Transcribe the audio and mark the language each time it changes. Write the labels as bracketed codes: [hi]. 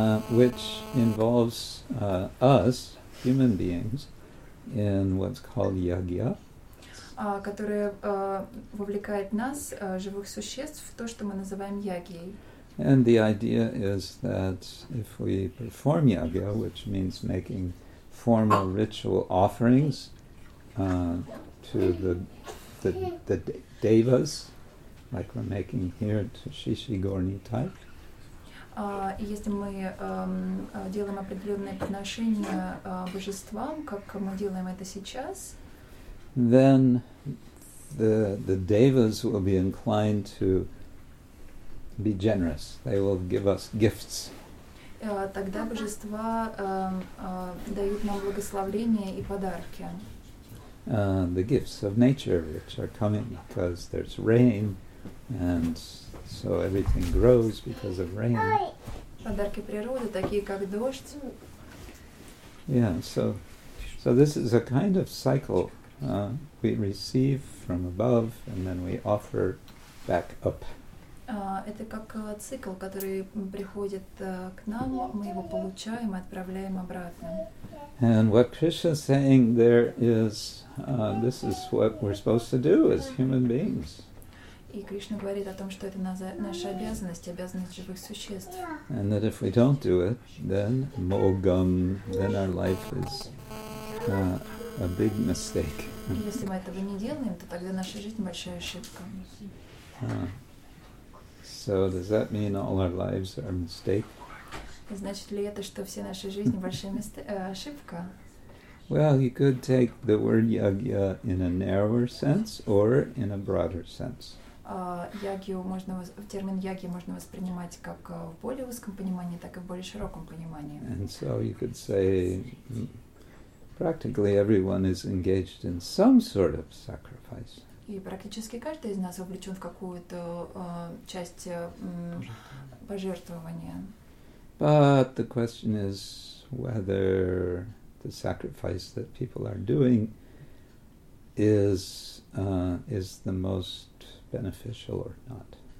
[en] Which involves us, human beings, in what's called yagya. [ru] Которая вовлекает нас, живых существ, в то, что мы называем ягьей. [en] And the idea is that if we perform yagya, which means making formal ritual offerings to the devas, like we're making here to Shishi Gorni type, [ru] Если мы делаем определенные подношения божествам, как мы делаем это сейчас, [en] then the devas will be inclined to be generous. They will give us gifts. [ru] Тогда божества дают нам благословения и подарки. [en] The gifts of nature, which are coming because there's rain, and so everything grows because of rain. [ru] Подарки природы, такие как дождь. [en] Yeah, so this is a kind of cycle. We receive from above, and then we offer back up. [ru] Это как цикл, который приходит к нам, мы его получаем и отправляем обратно. [en] And what Krishna is saying there is, this is what we're supposed to do as human beings. [ru] И Кришна говорит о том, что это наша обязанность, обязанность живых существ. [en] And that if we don't do it, then mogam, then our life is a big mistake. [ru] Если мы этого не делаем, то тогда наша жизнь большая ошибка. [en] So does that mean all our lives are a mistake? [ru] Значит ли это, что все наши жизни большая ошибка? [en] Well, you could take the word yagya in a narrower sense or in a broader sense. [ru] Термин ягья можно воспринимать как в более узком понимании, так и в более широком понимании. [en] And so you could say practically everyone is engaged in some sort of sacrifice. [ru] И практически каждый из нас вовлечен в какую-то часть пожертвования. [en] But the question is whether the sacrifice that people are doing is the most beneficial or not.